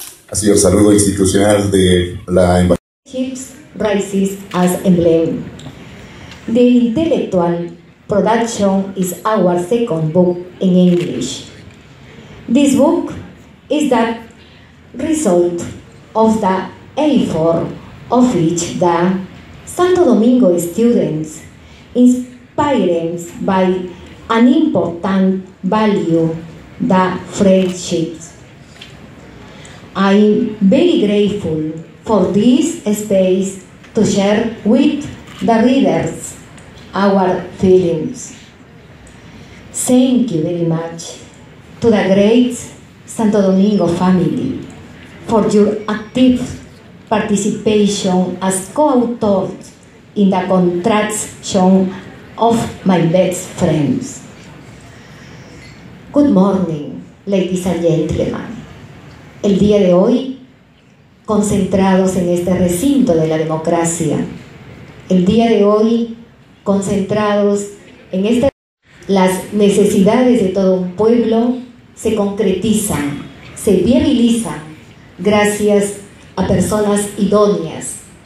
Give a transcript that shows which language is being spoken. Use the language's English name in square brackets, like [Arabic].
[Spanish] Ha sido el saludo institucional de la embajada. [English] Keeps rises as emblem. The intellectual production is our second book in English. This book is the result of the effort of which the Santo Domingo students, inspired by an important value, the friendship. I'm very grateful for this space to share with the readers our feelings. Thank you very much to the great Santo Domingo family for your active participation as co-authors in the construction of My Best Friends. Good morning, ladies and gentlemen. [Spanish] El día de hoy, concentrados en este recinto de la democracia, el día de hoy, concentrados en esta, las necesidades de todo un pueblo se concretizan, se viabilizan gracias a personas idóneas